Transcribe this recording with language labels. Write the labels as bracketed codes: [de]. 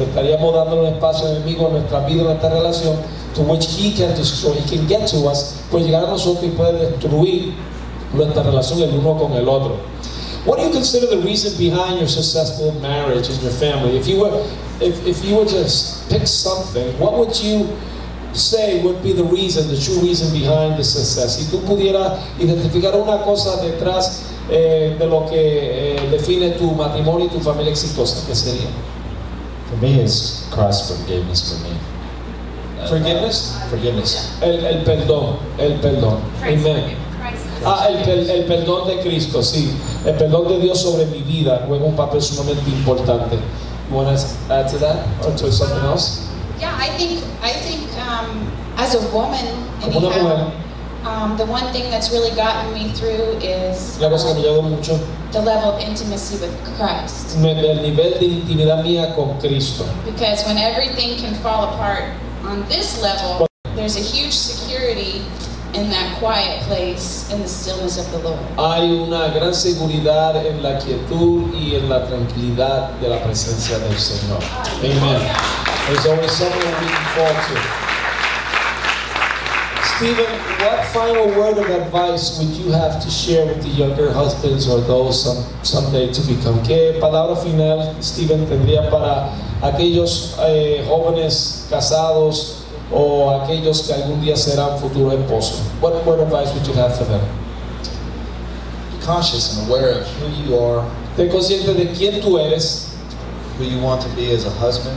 [es] Estaríamos dando un espacio al enemigo en nuestra vida, en nuestra relación, [en] to which he can destroy. He can get to us, [es] puede llegar a nosotros y puede destruir nuestra relación el uno con el otro. [en] What do you consider the reason behind your successful marriage and your family? If you were to pick something, what would you say would be the reason, the true reason behind the success? [es] Si tú pudieras identificar una cosa detrás de lo que define tu matrimonio y tu familia exitosa, ¿qué sería? [en] For me, it's Christ's forgiveness for me. Forgiveness? Forgiveness. [es] El perdón. [en] Christ. [es] Amen. El perdón de Cristo, sí. El perdón de Dios sobre mi vida juega un papel sumamente importante. [en] You want to add to that? Or to something else? Yeah, I think as a woman, anyhow, the one thing that's really gotten me through is [es] la cosa que me ayudó mucho, [en] the level of intimacy with Christ. [es] El nivel de intimidad mía con Cristo. [en] Because when everything can fall apart on this level, there's a huge security in that quiet place in the stillness of the Lord. [es] Hay una gran seguridad en la quietud y en la tranquilidad de la presencia del Señor. [en] Amen. There's always something we can fall to. Stephen, what final word of advice would you have to share with the younger husbands or those someday to become? [es] ¿Qué palabra final, Stephen, tendría para aquellos jóvenes casados o aquellos que algún día serán futuro esposo? [en] What word of advice would you have for them? Be conscious and aware of who you are. [es] Ten consciente de quién tú eres. [en] Who you want to be as a husband.